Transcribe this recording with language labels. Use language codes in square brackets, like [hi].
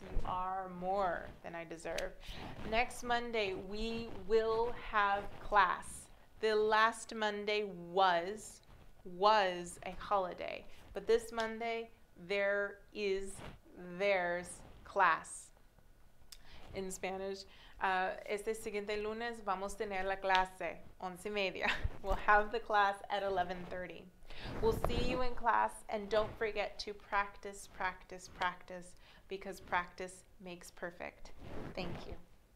[en] You are more than I deserve. Next Monday, we will have class. The last Monday was a holiday, but this Monday, there's class in Spanish. [es] Este siguiente lunes vamos a tener la clase, 11:30. [en] We'll have the class at 11:30. We'll see you in class, and don't forget to practice, practice, practice, because practice makes perfect. Thank you.